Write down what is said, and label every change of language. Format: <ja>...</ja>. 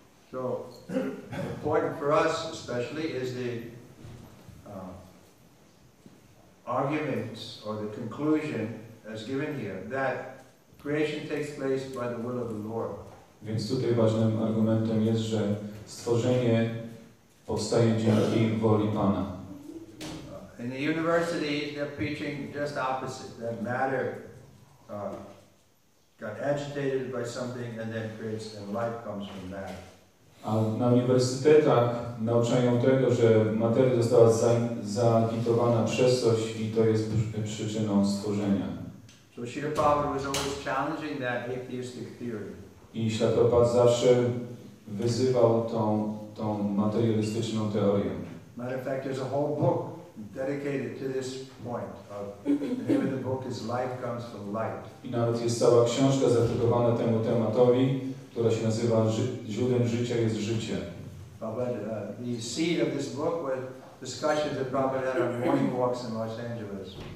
<en>So important for us especially is the arguments or the conclusion as given here that creation takes place by the will of the Lord.</en> <pl>Więc tutaj ważnym argumentem jest, że stworzenie powstaje dzięki woli Pana.</pl> <en>In the university they're preaching just opposite, that matter got agitated by something and then creates and life comes from that.</en> <pl>A na uniwersytetach nauczają tego, że materia została zaagitowana przez coś i to jest przyczyną stworzenia.</pl> <en>So Śrīla Prabhupāda was always challenging that atheistic theory.</en> <pl>I Śrīla Prabhupāda zawsze wyzywał tą materialistyczną teorię.</pl> <en>Matter of fact, there's a whole book dedicated to this point of the name of the book is Life Comes from Light.</en> <pl>I nawet jest cała książka zatytułowana temu tematowi, która się nazywa Źródłem życia jest życie.</pl> <en>The seed of this book was discussions that Prabhupada had on morning walks in Los Angeles.</en>